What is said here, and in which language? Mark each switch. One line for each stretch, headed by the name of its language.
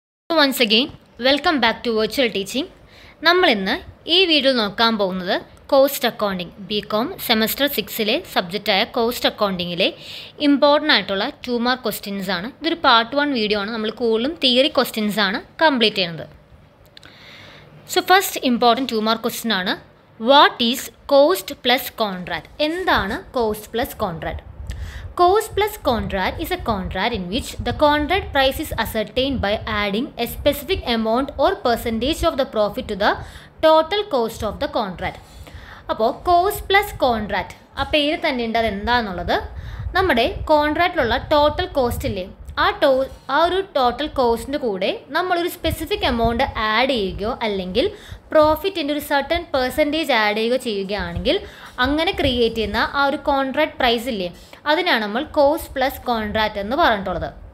English: Once again welcome back to virtual teaching.
Malayalam: നമ്മൾ ഇന്ന് ഈ വീഡിയോ നോക്കാൻ പോകുന്നത് cost accounting, BCom semester 6 സബ്ജക്റ്റായ cost അക്കൗണ്ടിങ്ങിലെ important ആയിട്ടുള്ള 2 മാർക്ക് ക്വസ്റ്റ്യൻസ് ആണ്. ഇതൊരു പാർട്ട് 1 വീഡിയോ ആണ്. നമ്മൾ കൂടുതലും തിയറി ക്വസ്റ്റ്യൻസ് ആണ് കംപ്ലീറ്റ് ചെയ്യുന്നത്.
English: so first important 2 mark question
Malayalam: ആണ്,
English: What is cost plus contract?
Malayalam: എന്താണ് cost plus contract?
English: Cost plus contract is a contract in which the contract price is ascertained by adding a specific amount or percentage of the profit to the total cost of the contract.
Malayalam: അപ്പോൾ cost plus contract, ആ പേര് തന്നെ ഉണ്ട്, അത് എന്താണെന്നുള്ളത്, നമ്മുടെ കോൺട്രാക്റ്റിലുള്ള total cost ഇല്ലേ, ആ ഒരു ടോട്ടൽ കോസ്റ്റിൻ്റെ കൂടെ നമ്മളൊരു സ്പെസിഫിക് എമൗണ്ട് ആഡ് ചെയ്യുകയോ അല്ലെങ്കിൽ പ്രോഫിറ്റിൻ്റെ ഒരു സർട്ടൺ പെർസെൻറ്റേജ് ആഡ് ചെയ്യുകയോ ചെയ്യുകയാണെങ്കിൽ അങ്ങനെ ക്രിയേറ്റ് ചെയ്യുന്ന ആ ഒരു കോൺട്രാക്ട് പ്രൈസ് ഇല്ലേ, അതിനാണ് നമ്മൾ കോസ്റ്റ് പ്ലസ് കോൺട്രാക്റ്റ് എന്ന് പറഞ്ഞിട്ടുള്ളത്.